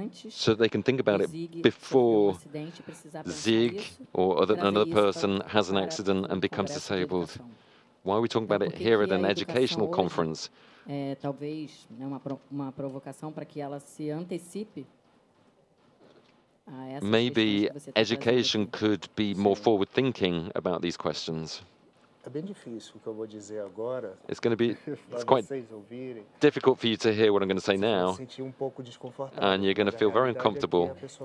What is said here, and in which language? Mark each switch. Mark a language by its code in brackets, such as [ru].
[en] So they can think about it before Zig or another person has an accident and becomes disabled. Why are we talking about it here at an educational conference? [pt] Talvez né, uma provocação para que ela se antecipe. [en] Maybe education could be more forward-thinking about these questions. It's going to be quite difficult for you to hear what I'm going to say now, and you're going to feel very uncomfortable.